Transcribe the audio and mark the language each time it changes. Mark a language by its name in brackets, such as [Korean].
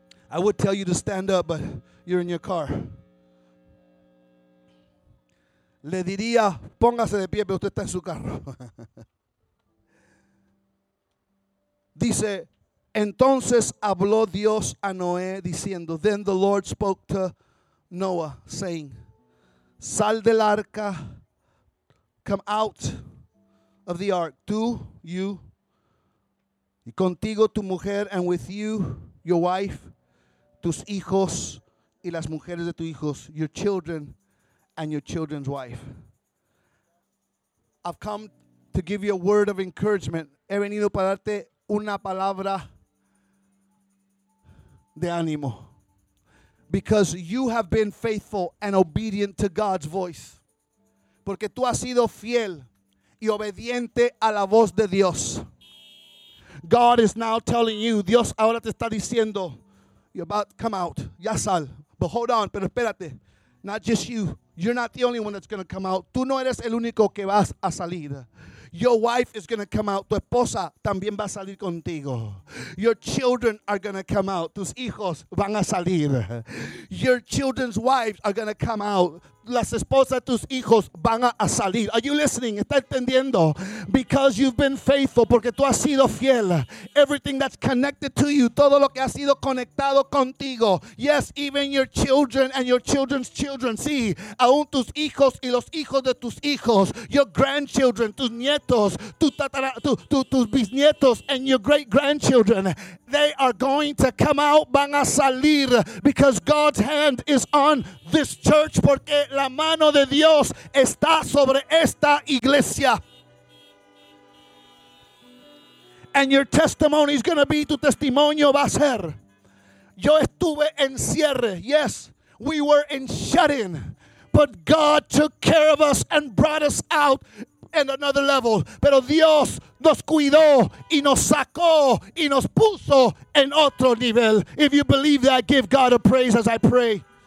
[English] I would tell you to stand up, but you're in your car. [Spanish] Le diría, póngase de pie, pero usted está en su carro. Dice, entonces habló Dios a Noé diciendo, [English] then the Lord spoke to Noah, saying, [Spanish] sal del arca, [English] come out of the ark, [Spanish] tú, [English] you, [Spanish] y contigo tu mujer, [English] and with you, your wife, [Spanish] tus hijos, y las mujeres de tus hijos, [English] your children, and your children's wife. I've come to give you a word of encouragement. [Spanish] He venido para darte una palabra de ánimo. [English] Because you have been faithful and obedient to God's voice. [Spanish] Porque tú has sido fiel y obediente a la voz de Dios. [English] God is now telling you, [Spanish] Dios ahora te está diciendo, [English] you're about to come out. [Spanish] Ya sal. [English] But hold on, [Spanish] pero espérate. [English] Not just you. You're not the only one that's going to come out. [Spanish] Tú no eres el único que vas a salir. [English] Your wife is going to come out. [Spanish] Tu esposa también va a salir contigo. [English] Your children are going to come out. [Spanish] Tus hijos van a salir. [English] Your children's wives are going to come out. Las esposas de tus hijos van a salir. Are you listening? [Spanish] ¿Está entendiendo? [English] Because you've been faithful, [Spanish] porque tú has sido fiel. [English] Everything that's connected to you, [Spanish] todo lo que ha sido conectado contigo. [English] Yes, even your children and your children's children. [Spanish] Sí, aún tus hijos y los hijos de tus hijos. [English] Your grandchildren, [Spanish] tus nietos, tus bisnietos [English] and your great-grandchildren. They are going to come out, [Spanish] van a salir, [English] because God's hand is on this church, [Spanish] porque la mano de Dios está sobre esta iglesia. [English] And your testimony is going to be, [Spanish] tu testimonio va a ser, yo estuve en cierre. [English] Yes, we were in shut-in, but God took care of us and brought us out at another level. [Spanish] Pero Dios nos cuidó y nos sacó y nos puso en otro nivel. [English] If you believe that, give God a praise as I pray.